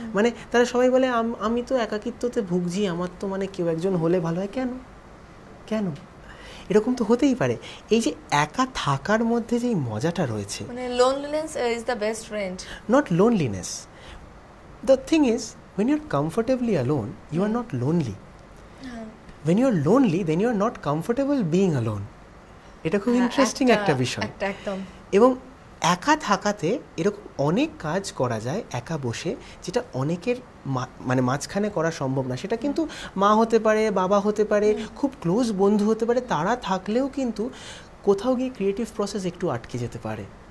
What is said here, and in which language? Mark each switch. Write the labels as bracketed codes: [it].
[bn] মানে তারা সবাই বলে আমি তো একাকিত্বতে ভুগছি, আমার তো মানে কেউ একজন হলে ভালো হয়। কেন কেন এরকম তো হতেই পারে? এই যে একা থাকার মধ্যে যে মজাটা রয়েছে, [en] মানে loneliness is the best friend. Not loneliness, the thing is when you are comfortably alone you are not lonely. When you are lonely, then you are not comfortable being alone. [bn] এটা খুব ইন্টারেস্টিং একটা বিষয়। এবং একা থাকাতে এরকম অনেক কাজ করা যায় একা বসে, যেটা অনেকের মানে মাঝখানে করা সম্ভব না। সেটা কিন্তু মা হতে পারে, বাবা হতে পারে, খুব ক্লোজ বন্ধু হতে পারে, তারা থাকলেও কিন্তু কোথাও গিয়ে ক্রিয়েটিভ প্রসেস একটু আটকে যেতে পারে।